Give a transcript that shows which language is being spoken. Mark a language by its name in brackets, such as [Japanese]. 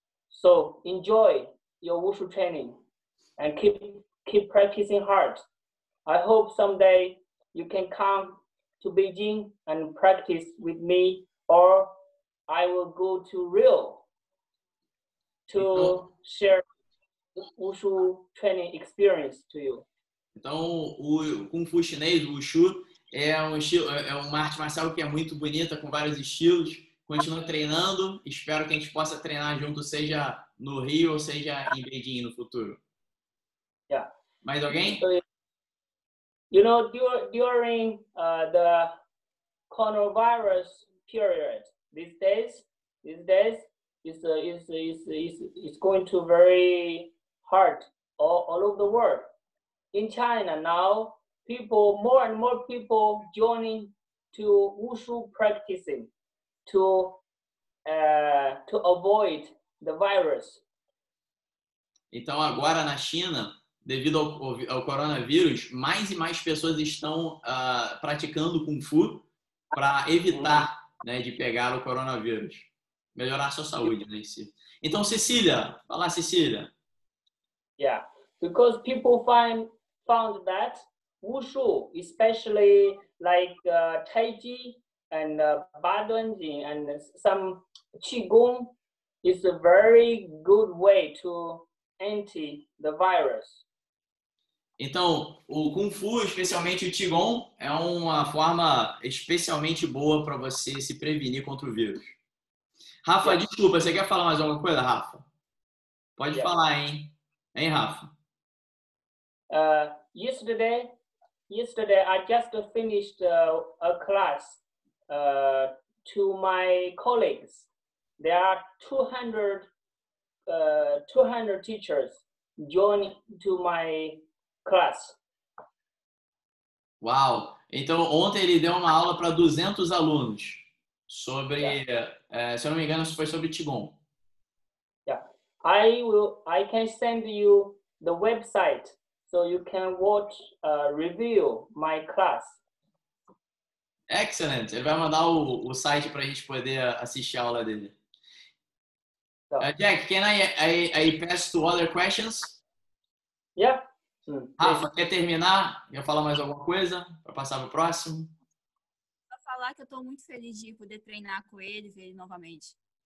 [English] So enjoy your Wushu training, and keep practicing hard. I hope someday you can come to Beijing and practice with me, or I will go to Rio to share Wushu training experience to you. [Portuguese] Então, o Kung Fu chinês, o Wushu, é uma arte marcial que é muito bonita, com vários estilos. Continua treinando, espero que a gente possa treinar junto, seja no Rio ou seja em Beijing no futuro. Yeah. Mais alguém? [English] You know, during the coronavirus period, these days is going to very hard all over the world. In China now, more and more people joining to Wushu practicing to avoid the virus. [Portuguese] Então agora na China, devido ao coronavírus, mais e mais pessoas estão praticando Kung Fu para evitar, né, de pegar o coronavírus. Melhorar sua saúde, né, em si. Então, Cecília. Fala, Cecília. Yeah. [English] Because people found that Wushu, especially like Tai Chi and Baduanjin and some Qigong, is a very good way to anti the virus. [Portuguese] Então, o Kung Fu, especialmente o Qigong, é uma forma especialmente boa para você se prevenir contra o vírus. Rafa, desculpa, você quer falar mais alguma coisa, Rafa? Pode falar, hein? Hein, Rafa? [English] Yesterday I just finished a class to my colleagues. There are 200 teachers joining to my class. Wow. [Portuguese] Então, ontem ele deu uma aula para 200 alunos sobre, se eu não me engano, foi sobre Qigong. Yeah. [English] I can send you the website so you can watch review my class. Excellent. [Portuguese] Ele vai mandar o site para a gente poder assistir a aula dele. [English] Jack, can I pass to other questions? Yeah. [Portuguese] Rafa, quer terminar? Quer falar mais alguma coisa para passar para o próximo? Vou falar que eu estou muito feliz de poder treinar com ele, ver ele novamente.